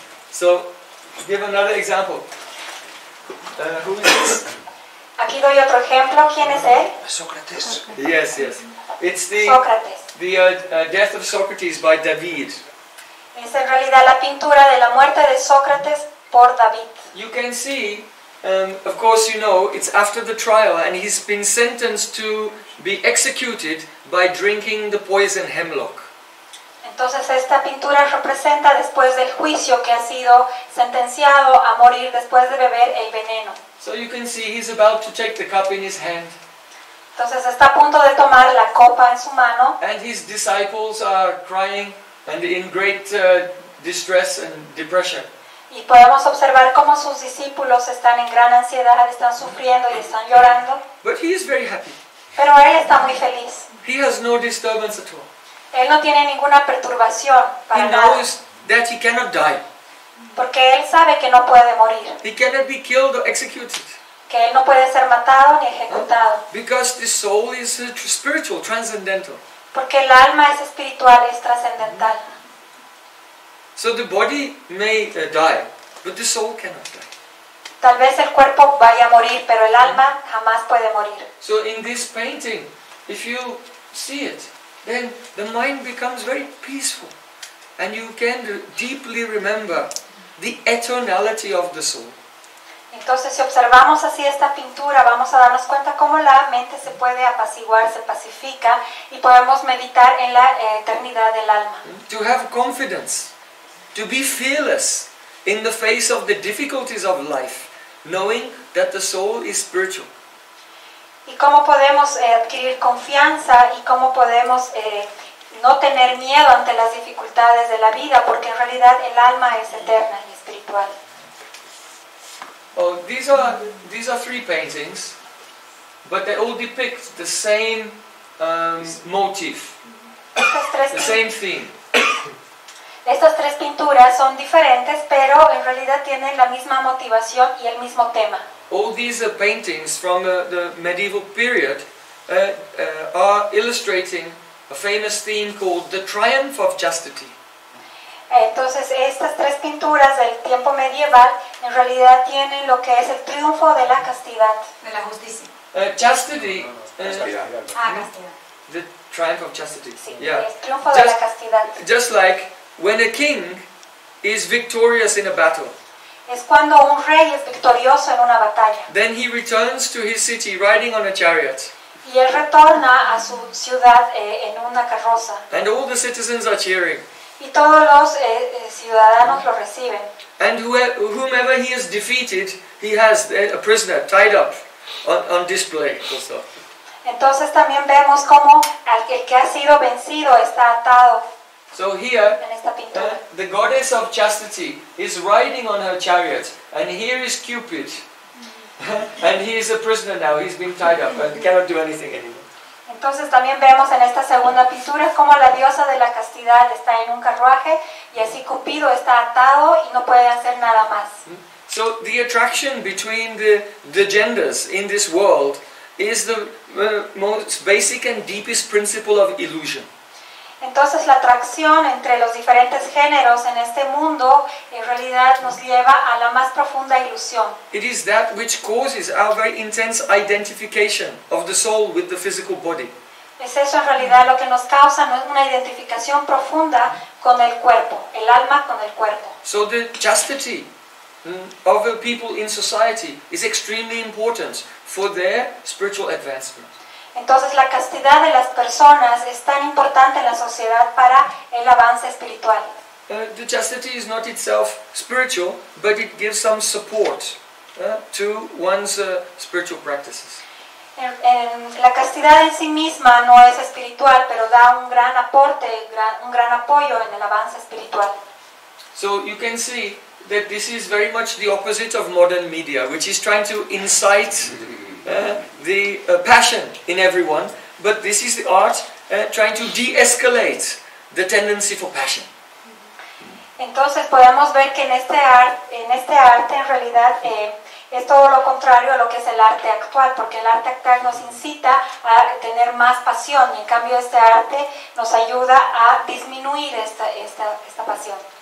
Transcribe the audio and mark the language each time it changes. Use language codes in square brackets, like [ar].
[en] So, give another example. Who is this? [es] Aquí doy otro ejemplo. ¿Quién es él? [en] Socrates. Yes, yes. It's the Socrates. Death of Socrates by David. [es] Es en realidad la pintura de la muerte de Sócrates por David. [en] You can see, of course, you know, it's after the trial, and he's been sentenced to be executed by drinking the poison hemlock. [es] Entonces esta pintura representa después del juicio que ha sido sentenciado a morir después de beber el veneno. [en] So you can see he's about to take the cup in his hand. [es] Entonces está a punto de tomar la copa en su mano. [en] And his disciples are crying and in great distress and depression. [es] Y podemos observar cómo sus discípulos están en gran ansiedad, están sufriendo y están llorando. [en] But he is very happy. [es] Pero él está muy feliz. [en] He has no disturbance at all. [es] Él no tiene ninguna perturbación para [en] he knows that he cannot die. [es] Porque él sabe que no puede morir. [en] He cannot be killed or executed. [es] Que él no puede ser matado ni ejecutado. [en] Because the soul is spiritual, transcendental. [es] Porque el alma es espiritual, es trascendental. [en] So the body may die, but the soul cannot die. [es] Tal vez el cuerpo vaya a morir, pero el alma jamás puede morir. [en] So in this painting, if you see it, then the mind becomes very peaceful and you can deeply remember the eternality of the soul. [es] Entonces si observamos así esta pintura vamos a darnos cuenta cómo la mente se puede apaciguar, se pacifica y podemos meditar en la eternidad del alma. [en] To have confidence, to be fearless in the face of the difficulties of life, knowing that the soul is spiritual. [es] ¿Y cómo podemos adquirir confianza y cómo podemos no tener miedo ante las dificultades de la vida? Porque en realidad el alma es eterna y espiritual. [en] Oh, these are three paintings, but they all depict the same motif, the same theme. [es] Estas tres pinturas son diferentes, pero en realidad tienen la misma motivación y el mismo tema. [en] All these paintings from the medieval period are illustrating a famous theme called the triumph of chastity. [es] Entonces, estas tres pinturas del tiempo medieval en realidad tienen lo que es el triunfo de la castidad. De la justicia. [en] Chastity. [es] Castidad. [en] The triumph of chastity. [es] Sí, yeah. El triunfo just, de la castidad. [en] Just like when a king is victorious in a battle. [es] Es cuando un rey es victorioso en una batalla. [en] Then he returns to his city riding on a chariot. [es] Y él retorna a su ciudad en una carroza. [en] And all the citizens are cheering. [es] Y todos los ciudadanos lo reciben. [en] And whomever he has defeated, he has a prisoner tied up on display also. [es] Entonces también vemos cómo el que ha sido vencido está atado. [en] So here, [es] en esta pintura, [en] the goddess of chastity is riding on her chariot, and here is Cupid. And he is a prisoner now. He's been tied up and cannot do anything anymore. [es] Entonces también vemos en esta segunda pintura cómo la diosa de la castidad está en un carruaje y así Cupido está atado y no puede hacer nada más. [en] So the attraction between the genders in this world is the most basic and deepest principle of illusion. [es] Entonces la atracción entre los diferentes géneros en este mundo en realidad nos lleva a la más profunda ilusión. [en] It is that which causes our very intense identification of the soul with the physical body. [es] Es eso en realidad lo que nos causa una identificación profunda con el cuerpo, el alma con el cuerpo. [en] So the chastity of the people in society is extremely important for their spiritual advancement. [es] Entonces la castidad de las personas es tan importante en la sociedad para el avance espiritual. [en] The chastity is not itself spiritual, but it gives some support to one's spiritual practices. [es] La castidad en sí misma no es espiritual, pero da un gran aporte, un gran apoyo en el avance espiritual. [en] So you can see that this is very much the opposite of modern media, which is trying to incite the passion in everyone, but this is the art trying to de-escalate the tendency for passion. [es] Entonces podemos ver que en este arte en realidad es todo lo contrario a lo que es el arte actual, porque el arte actual nos incita a tener más pasión y en cambio este arte nos ayuda a disminuir esta pasión.